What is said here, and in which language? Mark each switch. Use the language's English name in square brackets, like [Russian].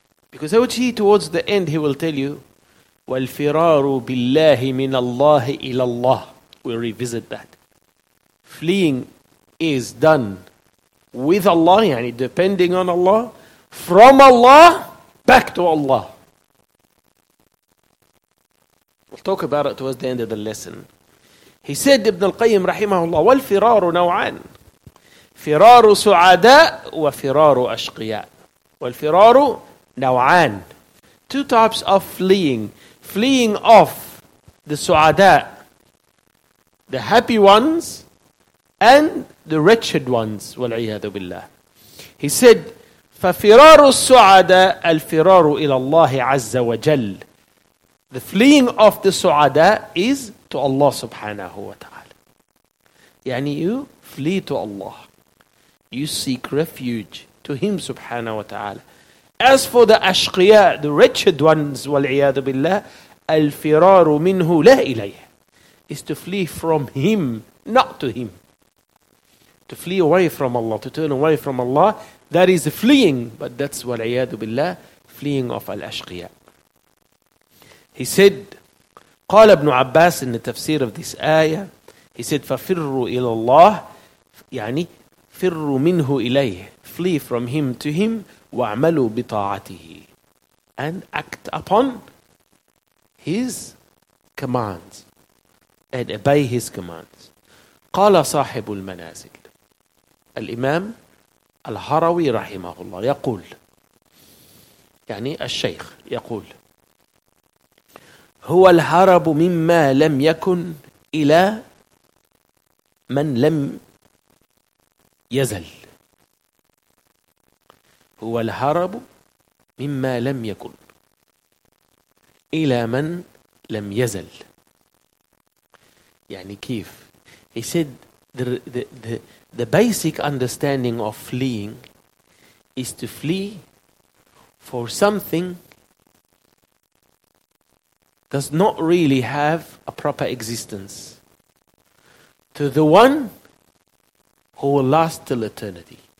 [English] Because I would see towards the end, he will tell you, [Arabic] وَالْفِرَارُ بِاللَّهِ مِنَ اللَّهِ إِلَى اللَّهِ. [English] We'll revisit that. Fleeing is done with Allah, [Arabic] يعني [English] depending on Allah, from Allah, back to Allah. We'll talk about it towards the end of the lesson. He said, [Arabic] Ibn al-Qayyim rahimahullah, والفرار نوعان, فرار سعداء وفرار أشقياء. والفرار نوعان. [English] Two types of fleeing. Fleeing of the سعداء, the happy ones, and the wretched ones, [Arabic] وَالْعِيَاذُ بِاللَّهِ. [English] He said, [Arabic] فَفِرَارُ السُّعَدَاءَ الْفِرَارُ إِلَى اللَّهِ عَزَّ وَجَلَّ. [English] The fleeing of the su'ada is to Allah subhanahu wa ta'ala. [Arabic] يعني [English] you flee to Allah. You seek refuge to Him subhanahu wa ta'ala. As for the ashqiya, the wretched ones, [Arabic] وَالْعِيَاذُ بِاللَّهِ, الْفِرَارُ مِنْهُ لَا إِلَيْهِ, [English] is to flee from Him, not to Him. To flee away from Allah, to turn away from Allah, that is fleeing. But that's [Arabic] وَالْعِيَاذُ بِاللَّهِ, [English] fleeing of al-ashqiya. He said, [Arabic] قال ابن عباس [English] in the tafsir of this ayah, he said, [Arabic] فَفِرُّوا إِلَى اللَّهِ, يعني فِرُّوا مِنْهُ إِلَيْهِ, [English] flee from him to him, [Arabic] وَعْمَلُوا بِطَاعَتِهِ, [English] and act upon his commands, and obey his commands. [Arabic] قال صاحب المنازل, الإمام الهروي رحمه الله يقول, يعني الشيخ يقول, هو الهرب مما لم يكن إلى من لم يزل. هو الهرب مما لم يكن إلى من لم يزل. يعني كيف؟ [English] He said the basic understanding of fleeing is to flee for something does not really have a proper existence to the one who will last till eternity.